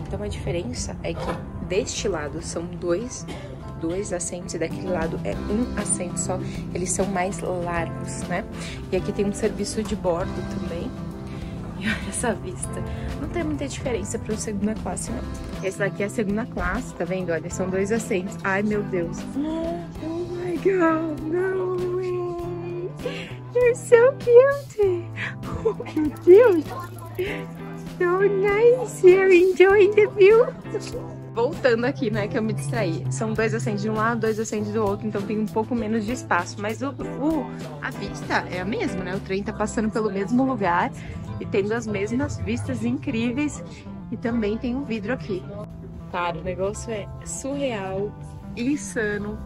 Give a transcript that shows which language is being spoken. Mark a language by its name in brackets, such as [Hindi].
[Portuguese] Então a diferença é que deste lado são dois assentos e daquele lado é um assento só, eles são mais largos, né? E aqui tem um serviço de bordo também. E olha essa vista, não tem muita diferença para a segunda classe, não. Essa daqui é a segunda classe, tá vendo? Olha, são dois assentos. Ai meu Deus, [English] oh my god, no way, you're so cute. [Portuguese] Oh meu Deus, [English] so nice, you're enjoying the view. [Portuguese] Voltando aqui, né, que eu me distraí. São dois assentos de um lado, dois assentos do outro, então tem um pouco menos de espaço. Mas a vista é a mesma, né? O trem tá passando pelo mesmo lugar e tendo as mesmas vistas incríveis. E também tem um vidro aqui. Cara, o negócio é surreal, insano.